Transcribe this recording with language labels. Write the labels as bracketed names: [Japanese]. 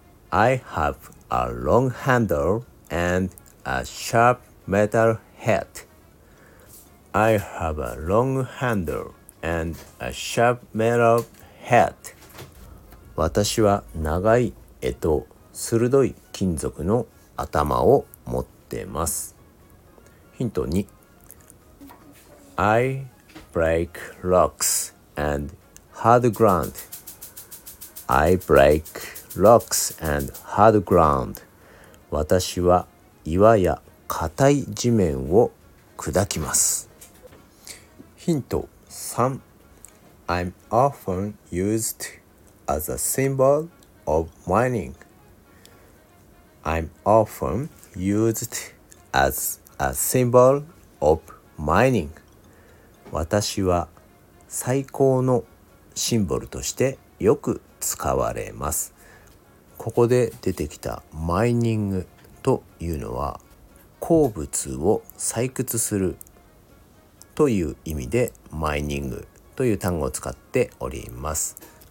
[English] I have a long handle and a sharp metal head. I have a long handle and a sharp metal head. [Japanese] 私は長い柄と鋭い金属の頭を持ってます。 [English] ヒント2、 I break rocks and hard ground. I break rocks and hard ground. [Japanese] 私は岩や硬い地面を砕きます。 [English] ヒント3、 I'm often used as a symbol of mining. I'm often used as a symbol of mining. [Japanese] 私は採鉱のシンボルとしてよく使われます。ここで出てきたマイニングというのは鉱物を採掘するという意味でマイニングという単語を使っております。